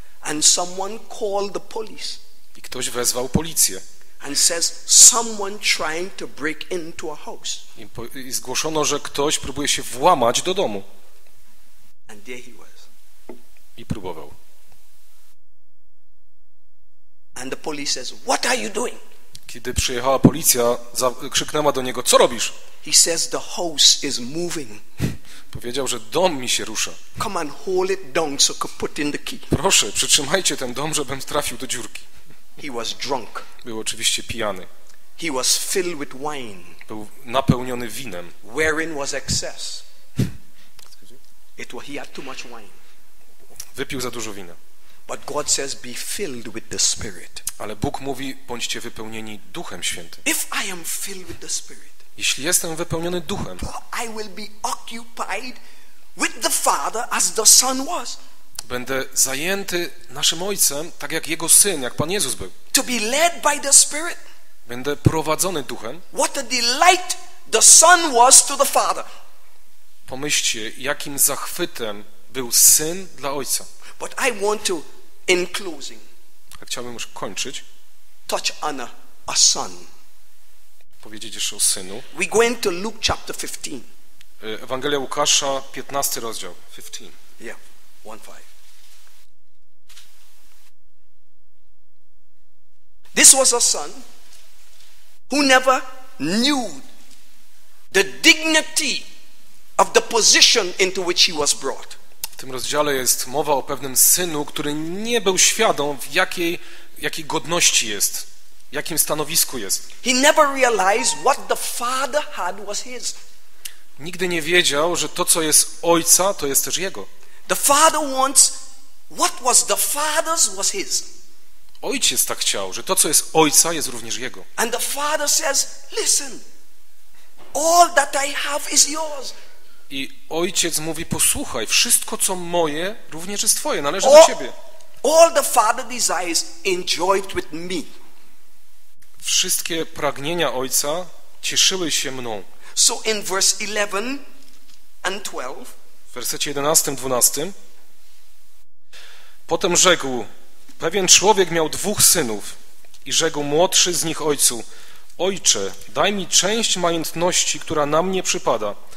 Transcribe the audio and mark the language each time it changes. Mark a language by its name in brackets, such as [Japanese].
[English] And someone called the police. [Polish] I ktoś wezwał policję. [English] And says someone trying to break into a house. [Polish] I zgłoszono, że ktoś próbuje się włamać do domu. [English] And there he was. [Polish] I próbował. [English] And the police says, "What are you doing?" [Polish] Kiedy przyjechała policja, krzyknęła do niego: "Co robisz?" [English] He says, "The house is moving." [Polish] Powiedział, że dom mi się rusza. [English] "Come and hold it down so I can put in the key." [Polish] Proszę, przytrzymajcie ten dom, żebym trafił do dziurki. [English] He was drunk. [Polish] Był oczywiście pijany. [English] He was filled with wine. [Polish] Był napełniony winem. [English] Wherein was excess. He had too much wine. [Polish] Wypił za dużo wina. [English] But God says, be filled with the Spirit. [Polish] Ale Bóg mówi, bądźcie wypełnieni Duchem Świętym. [English] If I am filled with the Spirit, [Polish] jeśli jestem wypełniony Duchem, [English] I will be occupied with the Father as the Son was. [Polish] Będę zajęty naszym Ojcem, tak jak Jego Syn, jak Pan Jezus był. [English] To be led by the Spirit. [Polish] Będę prowadzony Duchem. [English] What a delight the Son was to the Father. [Polish] Pomyślcie, jakim zachwytem był Syn dla Ojca. [English] But I want to, in closing, [Polish] chciałbym już kończyć. [English] Touch on a son. [Polish] Powiedzieć jeszcze o Synu. [English] We go into Luke chapter 15. [Polish] Ewangelia Łukasza, 15 rozdział. [English] 15. Yeah, 1-5. This was a son who never knew the dignity of the position into which he was brought. [Polish] W tym rozdziale jest mowa o pewnym synu, który nie był świadom, w jakiej godności jest. jakim stanowisku jest. [English] He never realized what the Father had was his. [Polish] Nigdy nie wiedział, że to, co jest Ojca, to jest też Jego. [English] The Father wants what was the Father's was his. [Polish] Ojciec tak chciał, że to, co jest Ojca, jest również Jego. [English] And the Father says, listen, all that I have is yours. [Polish] I Ojciec mówi, posłuchaj, wszystko, co moje, również jest Twoje, należy do Ciebie. [English] All the Father desires, enjoy it with me. [Polish] Wszystkie pragnienia Ojca cieszyły się mną. [English] So in verse 11 and 12, [Polish] w wersecie 11, 12, potem rzekł, pewien człowiek miał dwóch synów i rzekł młodszy z nich ojcu, ojcze, daj mi część majątności, która na mnie przypada.